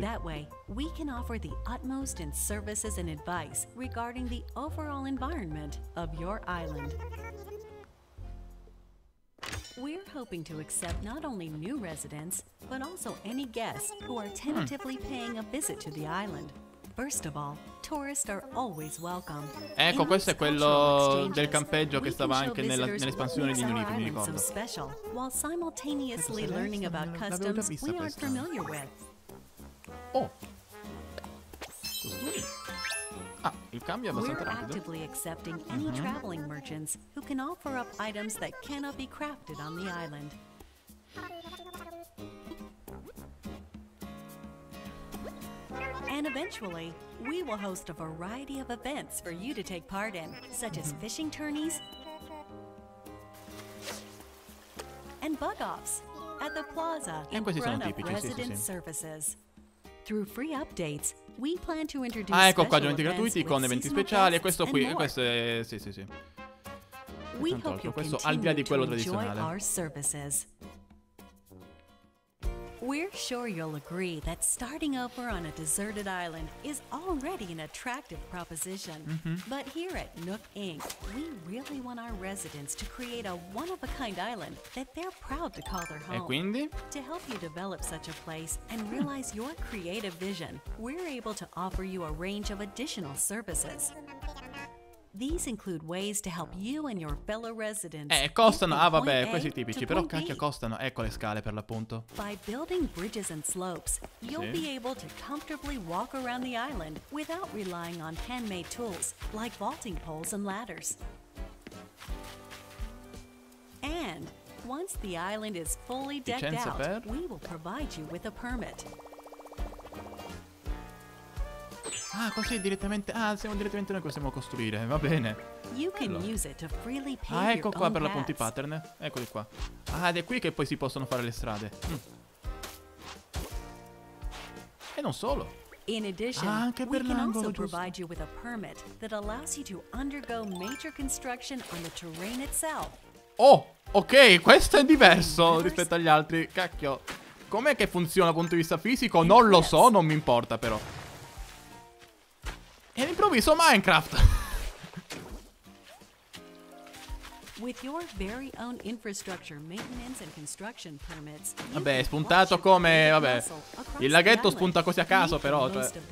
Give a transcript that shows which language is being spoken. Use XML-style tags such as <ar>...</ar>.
<en>That way we can offer the utmost in services and advice regarding the overall environment of your island. We're hoping to accept not only new residents but also any guests who are tentatively paying a visit to the island. First of all, tourists are always welcome.</en> <it>Ecco, questo è quello del campeggio che stava anche nell'espansione di Unity, mi ricordo.</it> <en>While simultaneously learning about customs we aren't familiar with. Oh.</en> <it>Ah, il cambio è abbastanza rapido.</it> <en>We're actively accepting any traveling merchants who can offer up items that cannot be crafted on the island. E And eventually, we will host a variety of events for you to take part in, such as fishing tourneys and bug-offs at the plaza in front</en> <it>sono</it> <en>of</en> <it>tipici,</it> <en>resident</en> <it>sì, sì, sì.</it> <en>services. Through free updates, we plan to introduce</en> <it>ah, ecco qua, aggiornamenti gratuiti con eventi speciali, e questo qui, e questo è... sì, sì, sì.</it> <en>We hope you</en> <it>questo al di là di quello tradizionale.</it> <en>Our services. We're sure you'll agree that starting over on a deserted island is already an attractive proposition. Mm-hmm. But here at Nook Inc., we really want our residents to create a one-of-a-kind island that they're proud to call their home.</en> <it>E quindi?</it> <en>To help you develop such a place and realize your creative vision, we're able to offer you a range of additional services. These include ways to help you and your fellow residents.</en> <it>Costano, ah vabbè, questi tipici, però cacchio costano, ecco le scale per l'appunto.</it> <en>By building bridges and slopes, you'll be able to comfortably walk around the island without relying on handmade tools like vaulting poles and ladders. And once the island is fully decked out, we will provide you with a permit.</en> <it>Ah, così direttamente. Ah, siamo direttamente noi che possiamo costruire. Va bene. Allora. Ah, ecco qua per l'appunto i pattern. Eccoli qua. Ah, ed è qui che poi si possono fare le strade. E non solo.</it> <en>In addition,</en> <it>ah, anche per</it> <en>we can also</en> <it>giusto.</it> <en>Provide you with a permit that allows you to undergo major construction on the terrain itself.</en> <it>Oh, ok, questo è diverso rispetto agli altri. Cacchio. Com'è che funziona dal punto di vista fisico? Non lo so, non mi importa però. E all'improvviso Minecraft.</it> <en>With your very own infrastructure, maintenance and construction permits.</en> <it>Vabbè, è spuntato come, vabbè. Il laghetto spunta così a caso, però, cioè.</it>